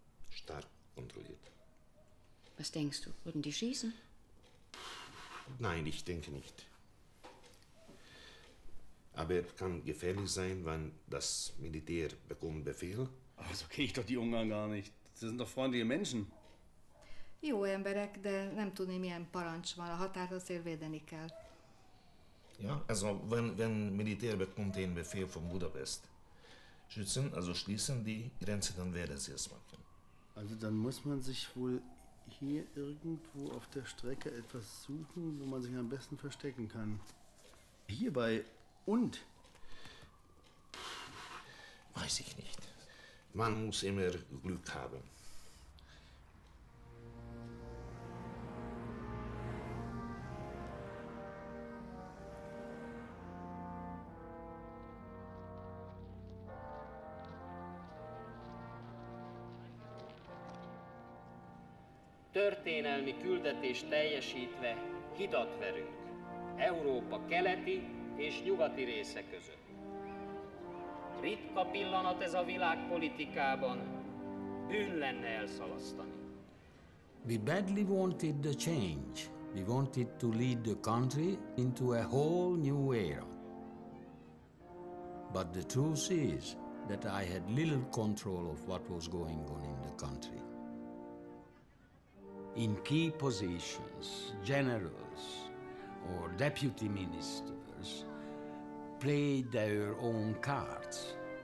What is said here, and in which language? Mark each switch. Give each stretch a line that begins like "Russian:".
German: Stark kontrolliert. Was denkst du? Würden die schießen? Nein, ich denke nicht. Aber es kann gefährlich sein, wenn das Militär bekommt Befehl. Aber so kenne ich doch die Ungarn gar nicht. Sie sind doch freundliche Menschen.
Hungarian: Jó emberek, de nem tudni, milyen parancs van. A határt azért védeni kell.
German: Ja, also wenn Militär bekommt den Befehl von Budapest, schützen, also schließen die Grenze, dann werde sie es machen. Also dann muss man sich wohl hier irgendwo auf der Strecke etwas suchen, wo man sich am besten verstecken kann. Hierbei und? Weiß ich nicht. Man muss immer Glück haben.
Hungarian: Történelmi küldetést teljesítve hidat verünk Európa keleti és nyugati része között. Ritka pillanat ez a világpolitikában, bűn lenne elszalasztani.
English: We badly wanted the change. We wanted to lead the country into a whole new era. But the truth is, that I had little control of what was going on in the country. In key positions, generals or deputy ministers played their own cards.